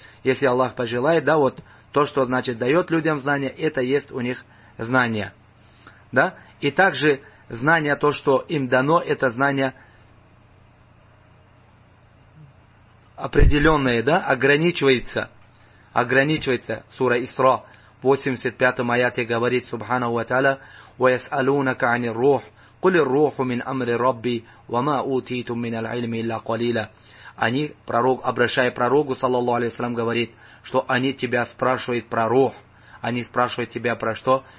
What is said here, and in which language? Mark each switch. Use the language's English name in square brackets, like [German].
[Russian] Если Аллах пожелает, да, вот то, что значит дает людям знания, это есть у них знание. Да? И также знание, то, что им дано, это знание определенное, да, ограничивается. Ограничивается. Сура Исра, 85-м аяте говорит, Субхана ва Тааля, [Arabic] وَيَسْأَلُونَكَ عَنِ الرُّوحِ قُلِ الرُّوحُ مِنْ أَمْرِ رَبِّي وَمَا أُوتِيتُم مِنَ الْعِلْمِ إِلَّا قَلِيلًا. [Russian] Они, пророк, обращая пророку, саллаллаху алейхи ва саллям, говорит, что они тебя спрашивают про рух. Они спрашивают тебя про что?